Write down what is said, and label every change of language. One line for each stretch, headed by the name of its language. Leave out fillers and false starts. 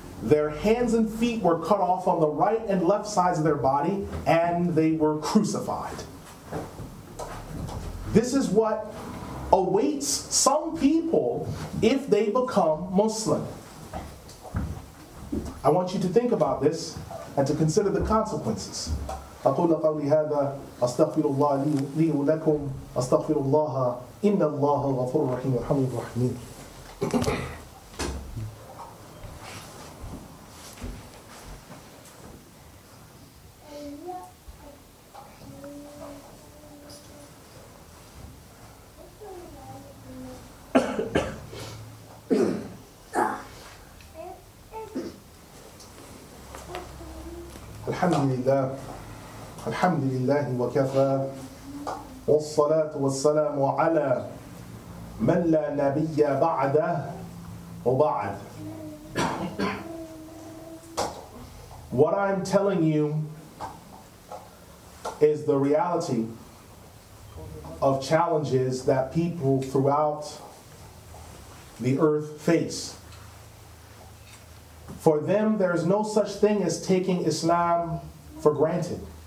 English: Their hands and feet were cut off on the right and left sides of their body, and they were crucified. This is what awaits some people if they become Muslim. I want you to think about this and to consider the consequences.
Arabic: أقول قولي هذا أستغفر الله لي ولكم أستغفر الله إن الله غفور رحيم الحمد لله رحمين. الحمد لله وكفى والصلاة والسلام على من لا نبي بعده وبعد.
English: What I'm telling you is the reality of challenges that people throughout the earth face. For them, there is no such thing as taking Islam for granted.